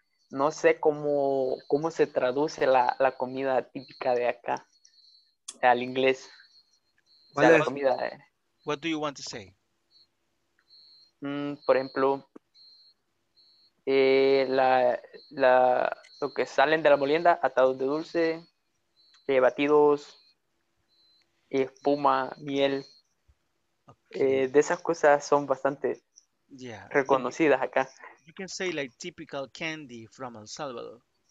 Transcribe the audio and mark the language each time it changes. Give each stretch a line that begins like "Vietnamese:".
Spanish: No sé cómo se traduce la comida típica de acá. Al inglés.
English: Well,
Spanish: la comida,
English: what do you want to say?
Spanish: Por ejemplo, lo que salen de la molienda, atados de dulce, batidos, espuma, miel. Okay. De esas cosas son bastante reconocidas acá.
English: You can say like typical candy from El Salvador.